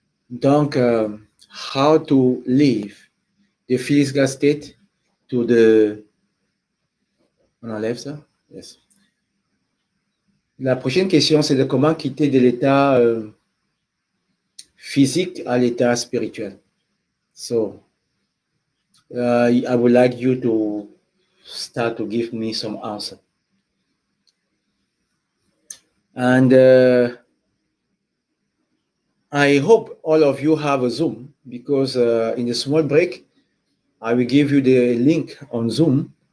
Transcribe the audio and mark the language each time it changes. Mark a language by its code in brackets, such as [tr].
[en] Donc, how to leave the physical state to the... [fr] On enlève ça? Yes. La prochaine question, c'est de comment quitter de l'état physique à l'état spirituel. [en] So, I would like you to start to give me some answers. And I hope all of you have a Zoom, because in the small break, I will give you the link on Zoom.